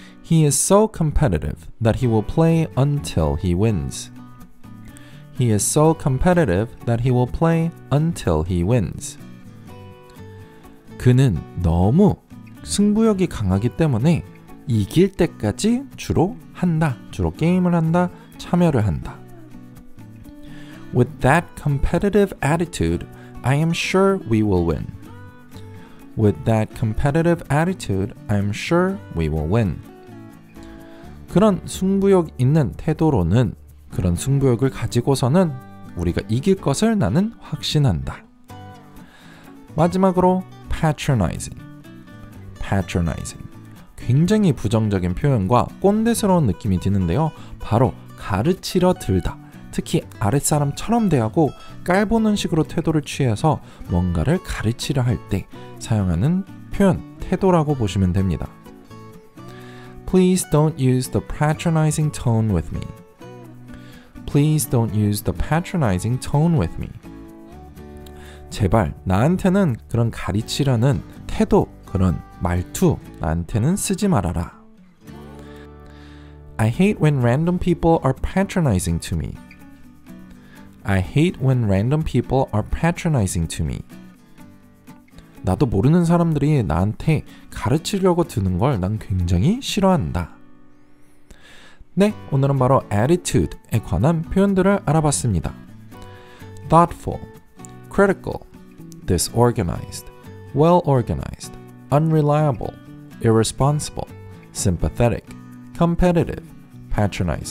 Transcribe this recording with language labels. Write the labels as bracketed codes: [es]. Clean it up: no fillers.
[en] He is so competitive that he will play until he wins. He is so competitive that he will play until he wins. [ko] 그는 너무 승부욕이 강하기 때문에 이길 때까지 주로 한다. 주로 게임을 한다. 참여를 한다. [en] With that competitive attitude, I am sure we will win. With that competitive attitude, I am sure we will win. [ko] 그런 승부욕 있는 태도로는 그런 승부욕을 가지고서는 우리가 이길 것을 나는 확신한다. 마지막으로 patronizing. [en] patronizing. [ko] 굉장히 부정적인 표현과 꼰대스러운 느낌이 드는데요. 바로 가르치려 들다. 특히 아랫사람처럼 대하고 깔보는 식으로 태도를 취해서 뭔가를 가르치려 할 때 사용하는 표현, 태도라고 보시면 됩니다. [en] Please don't use the patronizing tone with me. Please don't use the patronizing tone with me. [ko] 제발 나한테는 그런 가르치라는 태도, 그런 말투 나한테는 쓰지 말아라. [en] I hate when random people are patronizing to me. I hate when random people are patronizing to me. [ko] 나도 모르는 사람들이 나한테 가르치려고 드는 걸 난 굉장히 싫어한다. 네, 오늘은 바로 attitude에 관한 표현들을 알아봤습니다. [en] thoughtful, critical, disorganized, well organized, unreliable, irresponsible, sympathetic, competitive, patronizing.